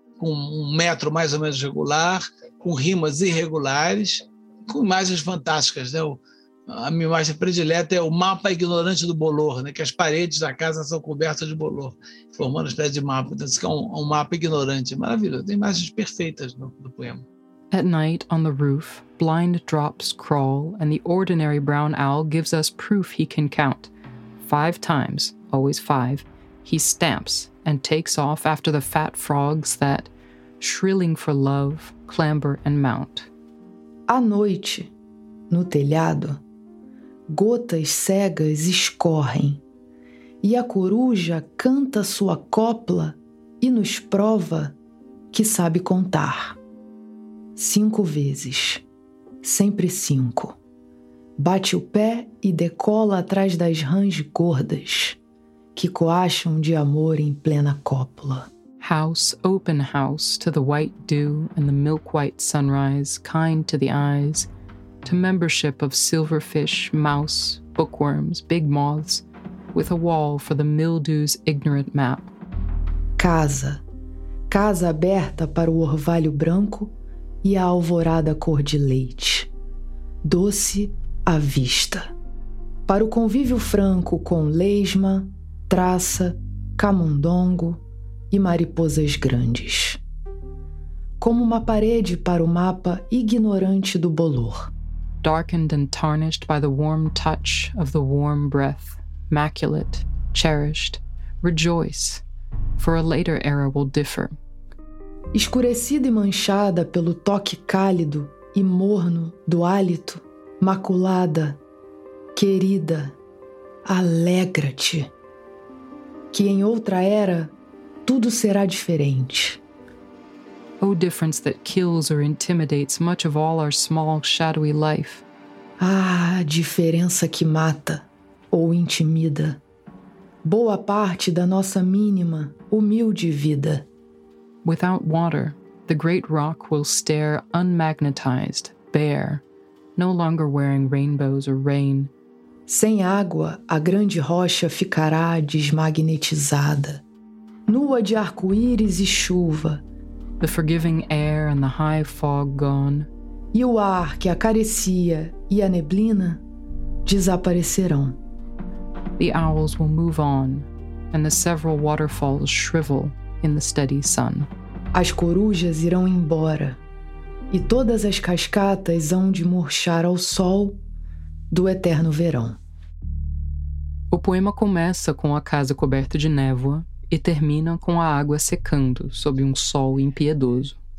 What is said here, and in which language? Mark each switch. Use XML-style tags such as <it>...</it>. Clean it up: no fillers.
<pt>Com um metro mais ou menos regular, com rimas irregulares, com imagens fantásticas, né? A minha imagem predileta é o mapa ignorante do bolor, né? Que as paredes da casa são cobertas de bolor, formando uma espécie de mapa. Então, isso é um mapa ignorante, maravilhoso. Tem imagens perfeitas do poema.</pt> <en>At night, on the roof, blind drops crawl, and the ordinary brown owl gives us proof he can count. Five times, always five, he stamps and takes off after the fat frogs that, shrilling for love, clamber and mount.</en> <pt>À noite, no telhado, gotas cegas escorrem, e a coruja canta sua copla e nos prova que sabe contar. Cinco vezes, sempre cinco. Bate o pé e decola atrás das rãs gordas que coaxam de amor em plena cópula.</pt> <en>House, open house, to the white dew and the milk-white sunrise, kind to the eyes, to membership of silverfish, mouse, bookworms, big moths, with a wall for the mildew's ignorant map.</en> <pt>Casa, casa aberta para o orvalho branco e a alvorada cor de leite, doce à vista, para o convívio franco com lesma, traça, camundongo e mariposas grandes, como uma parede para o mapa ignorante do bolor.</pt> <en>Darkened and tarnished by the warm touch of the warm breath, maculate, cherished, rejoice, for a later era will differ.</en> <pt>Escurecida e manchada pelo toque cálido e morno do hálito, maculada, querida, alegra-te, que em outra era tudo será diferente.</pt> <en>O difference that kills or intimidates much of all our small, shadowy life.</en> <pt>Ah, diferença que mata ou intimida boa parte da nossa mínima, humilde vida.</pt> <en>Without water, the great rock will stare unmagnetized, bare, no longer wearing rainbows or rain.</en> <pt>Sem água, a grande rocha ficará desmagnetizada, nua de arco-íris e chuva.</pt> <en>The forgiving air and the high fog gone.</en> <pt>E o ar que acaricia e a neblina desaparecerão.</pt> <en>The owls will move on, and the several waterfalls shrivel in the steady sun.</en> <pt>As corujas irão embora, e todas as cascatas hão de murchar ao sol do eterno verão. O poema começa com a casa coberta de névoa e termina com a água secando sob um sol impiedoso.</pt>